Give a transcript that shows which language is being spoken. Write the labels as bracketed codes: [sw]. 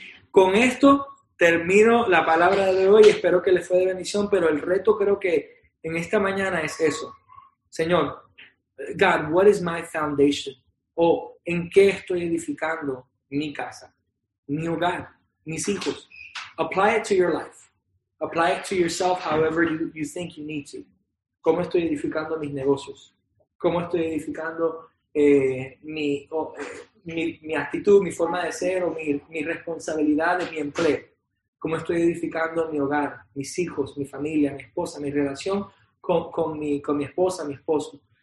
[es] Con esto termino la palabra de hoy. Espero que les fue de bendición, pero el reto creo que en esta mañana es eso. Señor, [en] God, what is my foundation? [es] O, ¿en qué estoy edificando mi casa, mi hogar, mis hijos? [en] Apply it to your life. Apply it to yourself however you think you need to. [es] ¿Cómo estoy edificando mis negocios? ¿Cómo estoy edificando mi actitud, mi forma de ser o mi responsabilidad de mi empleo? ¿Cómo estoy edificando mi hogar, mis hijos, mi familia, mi esposa, mi relación con mi esposa, mi esposo?